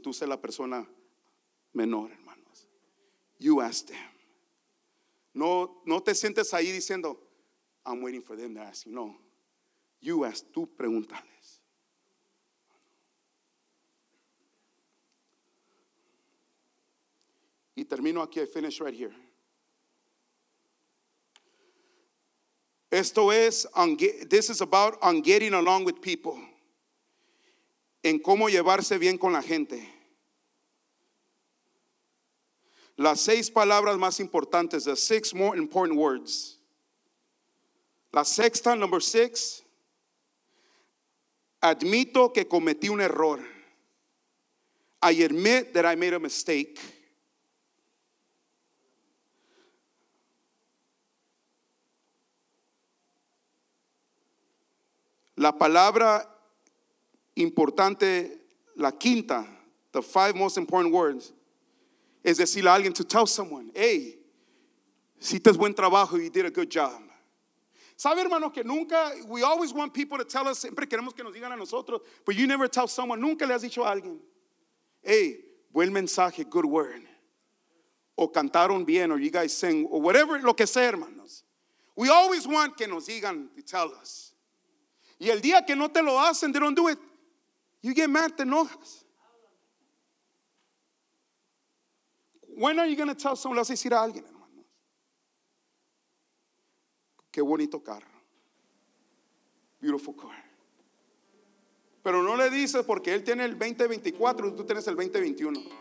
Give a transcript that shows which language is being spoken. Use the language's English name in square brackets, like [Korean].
[Spanish] Tú sé la persona menor, hermanos. [English] You ask them. [Spanish] No te sientes ahí diciendo, [English] I'm waiting for them to ask you. No. You ask. [Spanish] Tú pregúntales. Y termino aquí. [English] I finish right here. This is about on getting along with people. [Spanish] En cómo llevarse bien con la gente. Las seis palabras más importantes. [English] The six more important words. [Spanish] La sexta, [English] number six. [Spanish] Admito que cometí un error. [English] I admit that I made a mistake. [Spanish] La palabra importante, la quinta, [English] the five most important words, [Spanish] es decirle a alguien, [English] to tell someone, [Spanish] hey, hiciste buen trabajo, [English] you did a good job. [Spanish] ¿Sabe, hermano, que nunca, [English] we always want people to tell us, [Spanish] siempre queremos que nos digan a nosotros, [English] but you never tell someone, [Spanish] nunca le has dicho a alguien, hey, buen mensaje, [English] good word, [Spanish] o cantaron bien, [English] or you guys sing, or whatever, [Spanish] lo que sea, hermanos. [English] We always want [Spanish] que nos digan, [English] to tell us. [Spanish] Y el día que no te lo hacen, [English] they don't do it. You get mad, [Spanish] te enojas. [English] When are you going to tell someone? [Spanish] Le vas a decir a alguien, hermano. Qué bonito carro. [English] Beautiful car. [Spanish] Pero no le dices porque él tiene el 2024 y tú tienes el 2021.